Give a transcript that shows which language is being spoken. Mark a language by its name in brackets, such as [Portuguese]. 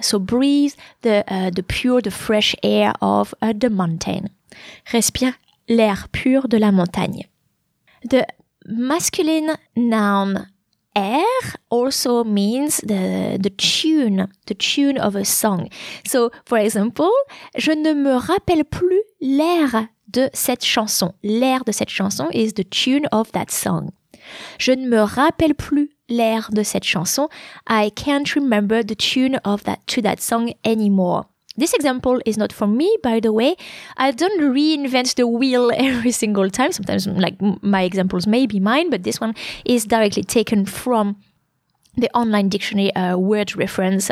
[English] So breathe the pure, the fresh air of the mountain. [French] Respire l'air pur de la montagne. [English] The masculine noun air also means the tune of a song. So, for example, [French] je ne me rappelle plus l'air de cette chanson. L'air de cette chanson [English] is the tune of that song. [French] Je ne me rappelle plus l'air de cette chanson. [English] I can't remember the tune of that song anymore. This example is not for me, by the way. I don't reinvent the wheel every single time. Sometimes, like, my examples may be mine, but this one is directly taken from the online dictionary word reference.